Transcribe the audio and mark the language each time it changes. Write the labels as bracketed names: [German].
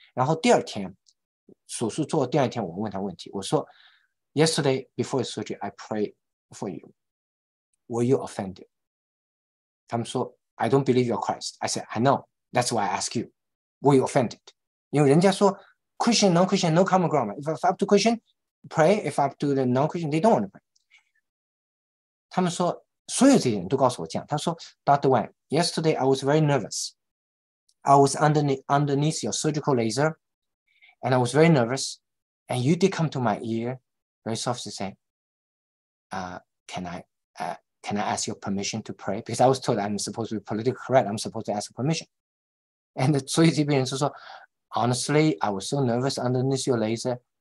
[Chinese] 然后第二天手术做第二天我问他问题，我说 [English] Yesterday, before surgery, I prayed for you. Were you offended? [Chinese] 他们说 [English] I don't believe you're Christ. I said, I know. That's why I ask you. Were you offended? [Chinese] 因为人家说 [English] Christian, non-Christian, no common ground. If I'm up to Christian, pray. If I'm up to the non-Christian, they don't want to pray. [Chinese] 他们说所有这些人都告诉我这样。他说 [English] Dr. Wang, yesterday I was very nervous. I was underneath your surgical laser, and I was very nervous, and you did come to my ear. Very softly say, can I ask your permission to pray? Because I was told I'm supposed to be politically correct. I'm supposed to ask permission. And so these people said, honestly, I was so nervous underneath your laser.